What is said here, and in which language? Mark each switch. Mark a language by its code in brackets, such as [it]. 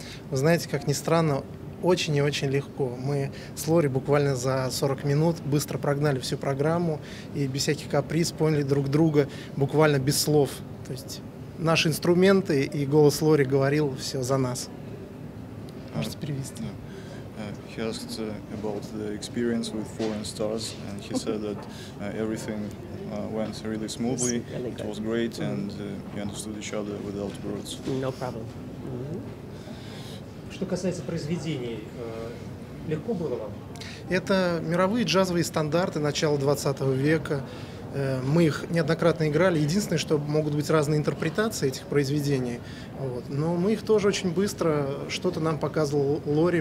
[ru] Вы знаете, как ни странно, очень и очень легко. Мы с Лори буквально за 40 минут быстро прогнали всю программу и без всяких каприз поняли друг друга буквально без слов. То есть наши инструменты и голос Лори говорил все за нас. Можете перевести? [en] He asked about the experience with foreign stars, and he said that everything went really smoothly. It was great, and we understood each other without words. No problem. [ru] Что касается произведений, легко было вам? Это мировые джазовые стандарты начала 20 века. Мы их неоднократно играли. Единственное, что могут быть разные интерпретации этих произведений. Вот. Но мы их тоже очень быстро... Что-то нам показывал Лори.